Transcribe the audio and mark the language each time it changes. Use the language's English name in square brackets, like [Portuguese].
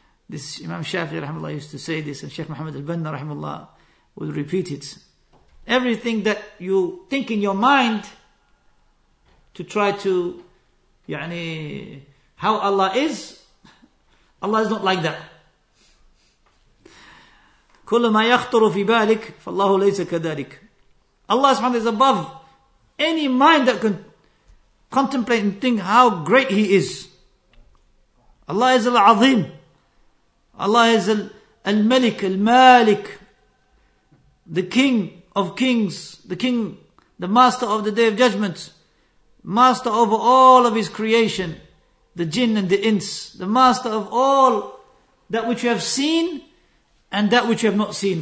[English] This Imam Shafi'i rahimahullah used to say this, and Sheikh Muhammad al-Banna rahimahullah would repeat it. Everything that you think in your mind to try to, يعني, how Allah is not like that. [Arabic] كل ما يخطر في بالك فالله ليس كذلك. [English] Allah subhanahu wa ta'ala is above any mind that can contemplate and think how great He is. Allah is al-Azim. Allah is al-Malik, al-Malik, the King of kings, the King, the Master of the Day of Judgment, Master over all of His creation, the jinn and the ins, the Master of all that which you have seen and that which you have not seen.